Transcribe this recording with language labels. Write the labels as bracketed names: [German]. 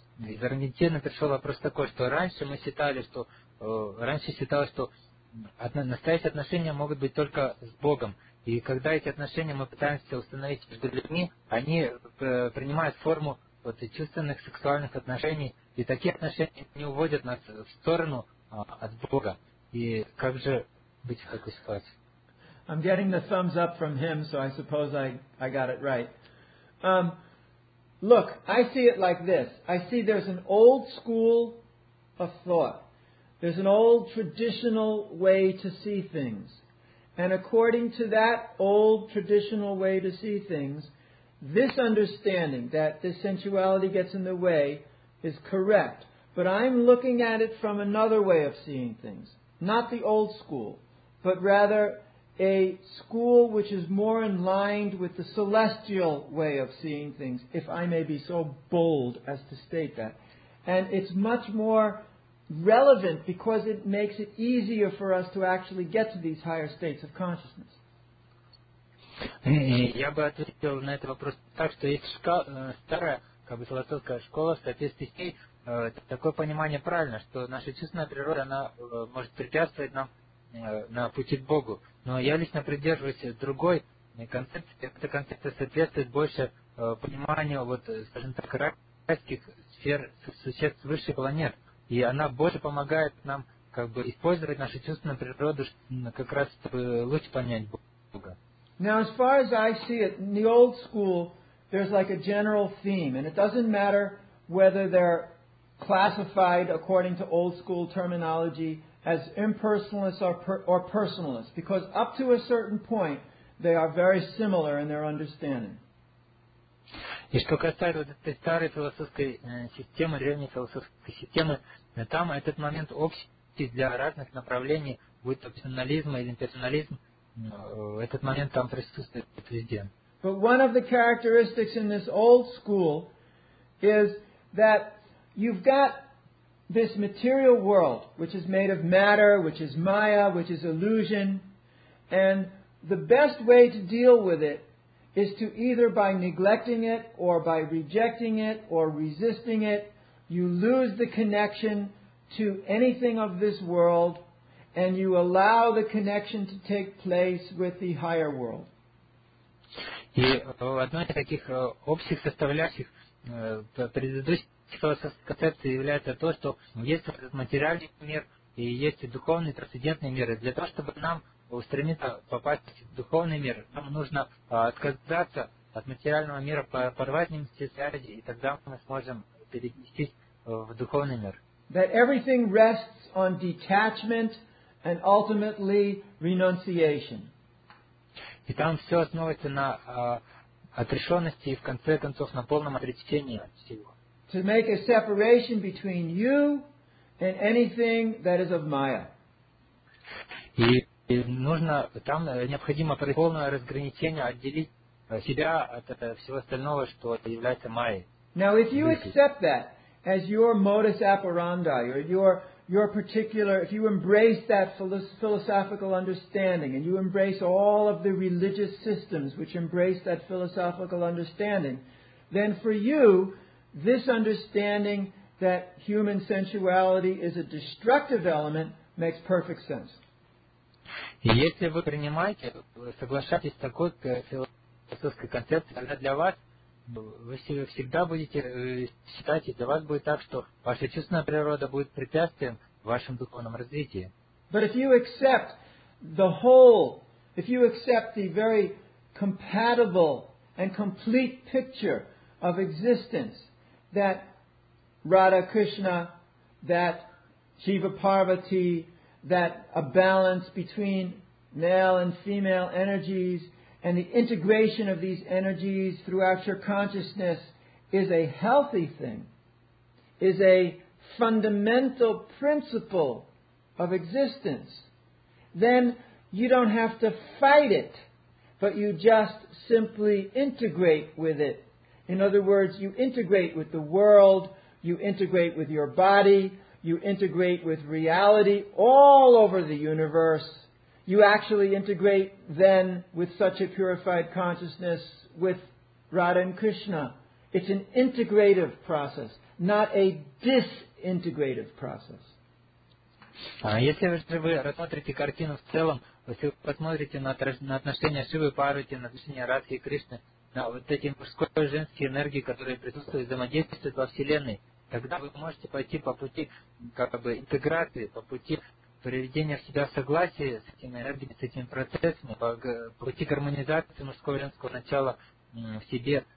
[Russian] Из Аргентины пришел вопрос такой, что раньше мы считали, что раньше считалось, что настоящие отношения могут быть только с Богом. И когда эти отношения мы пытаемся установить между людьми, они принимают форму вот чувственных, сексуальных отношений, и такие отношения не уводят нас в сторону от Бога. И как же быть в такой ситуации? [English] I'm getting the thumbs up from him, so I suppose I got it right. Look, I see it like this. I see there's an old school of thought. There's an old traditional way to see things. And according to that old traditional way to see things, this understanding that this sensuality gets in the way is correct. But I'm looking at it from another way of seeing things. Not the old school, but rather a school which is more in line with the celestial way of seeing things, if I may be so bold as to state that. And it's much more relevant because it makes it easier for us to actually get to these higher states of consciousness. [Russian] Я бы ответил на этот вопрос так, что есть старая, как бы, философская школа, статистики. Такое понимание правильно, что наша чувственная природа, она может препятствовать нам на пути к Богу. Но я лично придерживаюсь другой концепции. Эта концепция соответствует больше пониманию, вот, скажем так, райских сфер существ высших планет. И она больше помогает нам, как бы, использовать нашу чувственную природу, как раз, чтобы лучше понять Бога. [English] Now, as far as I see it, in the old school, there's like a general theme, and it doesn't matter whether they're classified according to old school terminology as impersonalists or personalists, because up to a certain point, they are very similar in their understanding. [Russian] И что касается вот этой старой философской системы, древней философской системы, там этот момент общий для разных направлений, будь то персонализм или имперсонализм, этот момент там присутствует везде. [English] But one of the characteristics in this old school is that you've got this material world, which is made of matter, which is maya, which is illusion, and the best way to deal with it is to either by neglecting it or by rejecting it or resisting it, you lose the connection to anything of this world and you allow the connection to take place with the higher world. [Russian] И одна из таких общих составляющих предыдущей философской концепции является то, что есть этот материальный мир и есть духовный, трансцендентный мир. И для того, чтобы нам устремиться попасть в духовный мир, нам нужно отказаться от материального мира, порвать ним все связи, и тогда мы сможем перенестись в духовный мир. [English] That everything rests on detachment and ultimately renunciation. [Russian] И там все основывается на отрешенности и, в конце концов, на полном отречении от всего. [English] To make a separation between you and anything that is of Maya. [Russian] И нужно, там необходимо полное разграничение, отделить себя от всего остального, что является Майей. [English] Now, if you accept that as your modus operandi, or your particular, if you embrace that philosophical understanding and you embrace all of the religious systems which embrace that philosophical understanding, then for you, this understanding that human sensuality is a destructive element makes perfect sense. [Russian] Если вы принимаете, соглашаетесь с такой философской концепцией, тогда для вас вы всегда будете считать, и для вас будет так, что ваша чувственная природа будет препятствием в вашем духовном развитии. [English] But if you accept the whole, if you accept the very compatible and complete picture of existence, that Radha Krishna, that Jiva Parvati, that a balance between male and female energies and the integration of these energies throughout your consciousness is a healthy thing, is a fundamental principle of existence, then you don't have to fight it, but you just simply integrate with it. In other words, you integrate with the world, you integrate with your body, you integrate with reality all over the universe. You actually integrate then with such a purified consciousness with Radha and Krishna. It's an integrative process, not a disintegrative process. [Russian] Если вы рассмотрите картину в целом, если вы посмотрите на отношения Шивы Парвати, на отношения Радхи и Кришны, на вот эти мужской и женские энергии, которые присутствуют и взаимодействуют во Вселенной, тогда вы можете пойти по пути как бы интеграции, по пути приведения в себя согласия с этими энергиями, с этими процессами, по пути гармонизации мужского и женского начала в себе.